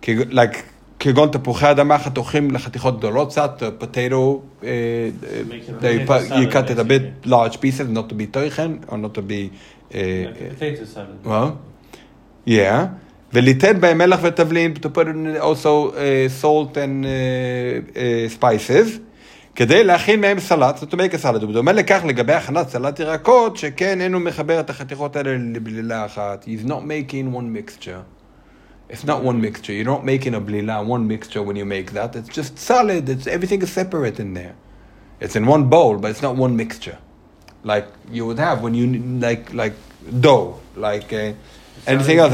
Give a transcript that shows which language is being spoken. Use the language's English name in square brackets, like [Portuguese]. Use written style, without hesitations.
[English] Like [Hebrew] כגון תפוחי אדמה חתוכים לחתיכות גדולות קצת, [English] potato, you cut it a bit large pieces, not to be toichen, or not to be... potato salad. Well, yeah. [Hebrew] וליתן בהם מלח ותבלין, [English] to put in also salt and spices, [Hebrew] כדי להכין מהם סלט, [English] to make a salad. [Hebrew] ובדומה לכך לגבי הכנת סלט ירקות, שכן אינו מחבר את החתיכות האלה לבלילה אחת. [English] He's not making one mixture. It's not one mixture. You're not making a blila, one mixture when you make that. It's just solid. It's everything is separate in there. It's in one bowl, but it's not one mixture. Like you would have when you, like dough, like anything else.